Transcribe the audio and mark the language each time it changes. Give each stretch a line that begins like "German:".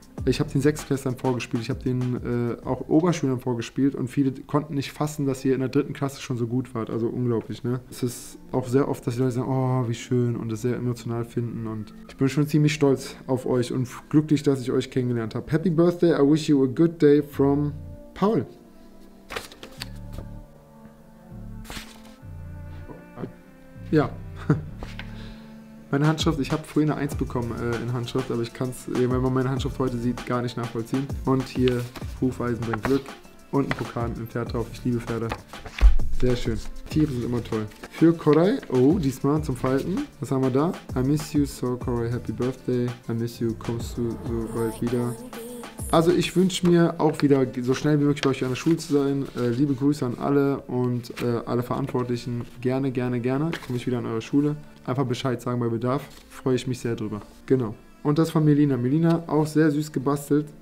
German: Ich habe den Sechstklässlern vorgespielt. Ich habe den auch Oberschülern vorgespielt. Und viele konnten nicht fassen, dass ihr in der dritten Klasse schon so gut wart. Also unglaublich, ne? Es ist auch sehr oft, dass die Leute sagen, oh, wie schön. Und das sehr emotional finden. Und ich bin schon ziemlich stolz auf euch und glücklich, dass ich euch kennengelernt habe.
English: Happy Birthday, I wish you a good day from Paul.
German: Ja. Meine Handschrift, ich habe früher eine 1 bekommen in Handschrift, aber ich kann es, wenn man meine Handschrift heute sieht, gar nicht nachvollziehen. Und hier, Hufeisen bringt Glück und ein Pokal mit einem Pferd drauf. Ich liebe Pferde. Sehr schön. Tiere sind immer toll. Für Koray, oh, diesmal zum Falten. Was haben wir da?
English: I miss you so, Koray, happy birthday. I miss you,
German: kommst du so bald wieder? Also ich wünsche mir auch wieder so schnell wie möglich bei euch an der Schule zu sein. Liebe Grüße an alle und alle Verantwortlichen. Gerne, gerne, gerne komme ich wieder an eure Schule. Einfach Bescheid sagen bei Bedarf. Freue ich mich sehr drüber. Genau. Und das von Melina. Melina auch sehr süß gebastelt.